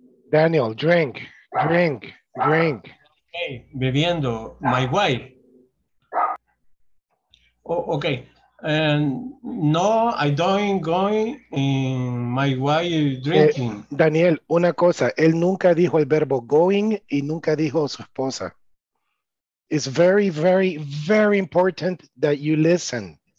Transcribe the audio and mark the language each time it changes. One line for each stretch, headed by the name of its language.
English: Daniel, drink, drink. Drink. Okay, bebiendo, my wife. Oh, okay, no, I don't go in my wife drinking.
Spanish: Daniel, una cosa, él nunca dijo el verbo going y nunca dijo su esposa.
English: It's very, very, very important that you listen.